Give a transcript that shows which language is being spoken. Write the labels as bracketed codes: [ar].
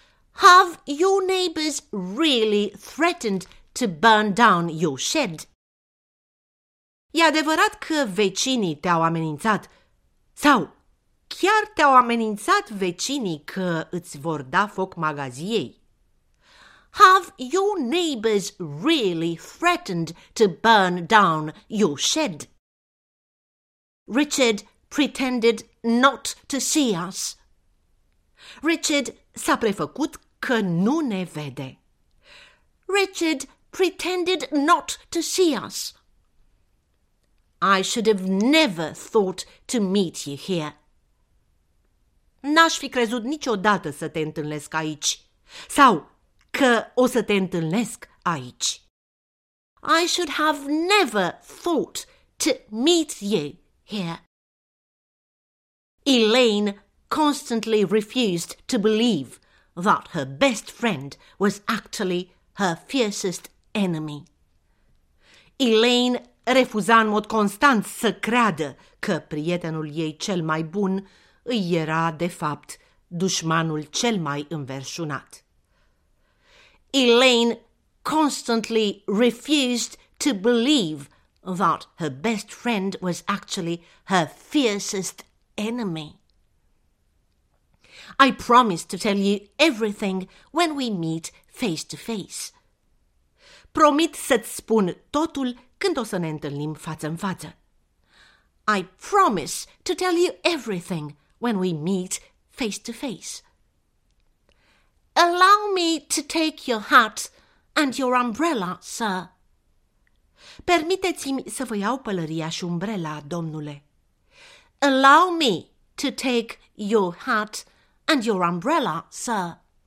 [en] Have your neighbors really threatened to burn down your shed? [ro] E adevărat că vecinii te-au amenințat? Sau chiar te-au amenințat vecinii că îți vor da foc magaziei? [en] Have your neighbors really threatened to burn down your shed? Richard pretended not to see us. [ro] Richard s-a prefăcut că nu ne vede. [en] Richard pretended not to see us. I should have never thought to meet you here. [ro] N-aș fi crezut niciodată să te întâlnesc aici. Sau că o să te întâlnesc aici. [en] I should have never thought to meet you here. Elaine constantly refused to believe that her best friend was actually her fiercest enemy. [ro] Elaine refuza în mod constant să creadă că prietenul ei cel mai bun îi era, de fapt, dușmanul cel mai înverșunat. [en] Elaine constantly refused to believe that her best friend was actually her fiercest enemy. I promise to tell you everything when we meet face to face. [ro] Promit să-ți spun totul când o să ne întâlnim față în față. [en] I promise to tell you everything when we meet face to face. Allow me to take your hat and your umbrella, sir. [ro] Permiteți-mi să vă iau pălăria și umbrela, domnule. [en] Allow me to take your hat and your umbrella, sir.